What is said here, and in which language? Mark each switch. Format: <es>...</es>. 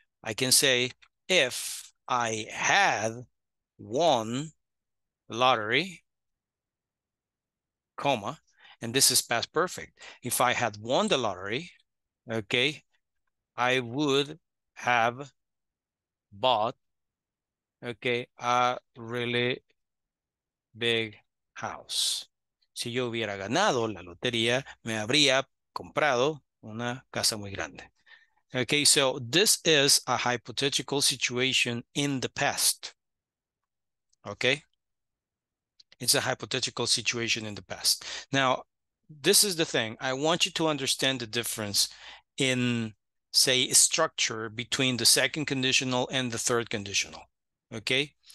<en>I can say, if I had won the lottery, comma, and this is past perfect. If I had won the lottery, okay, I would have bought, okay, a really big house.</en> <es>Si yo hubiera ganado la lotería, me habría comprado una casa muy grande.</es> <en>Okay, so this is a hypothetical situation in the past. Okay? It's a hypothetical situation in the past. Now, this is the thing. I want you to understand the difference in, say, structure between the second conditional and the third conditional. Okay?</en>